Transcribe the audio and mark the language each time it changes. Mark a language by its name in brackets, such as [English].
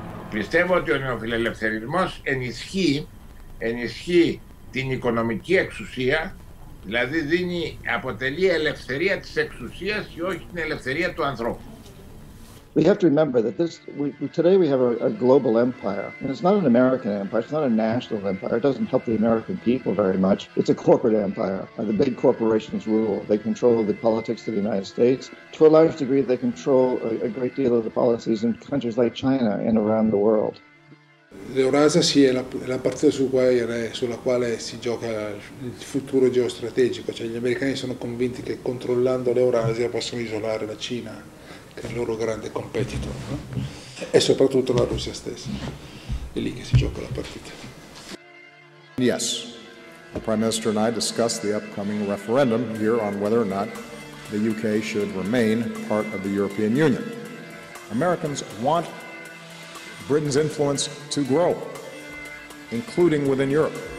[Greek] Πιστεύω ότι ο νεοφιλελευθερισμός ενισχύει την οικονομική εξουσία, δηλαδή δίνει, αποτελεί ελευθερία της εξουσίας και όχι την ελευθερία του ανθρώπου. [English] We have to remember that this, today we have a global empire, and it's not an American empire, it's not a national empire, it doesn't help the American people very much. It's a corporate empire, and the big corporations rule. They control the politics of the United States. To a large degree, they control a great deal of the policies in countries like China and around the world. [Italian] L'Eurasia sì, è la partita sulla quale si gioca il futuro geostrategico. Cioè, gli americani sono convinti che controllando l'Eurasia possono isolare la Cina, che è il loro grande competitor, no? E soprattutto la Russia stessa. È lì che si gioca la partita. [English] Yes, the Prime Minister and I discussed the upcoming referendum here on whether or not the UK should remain part of the European Union. Americans want Britain's influence to grow, including within Europe.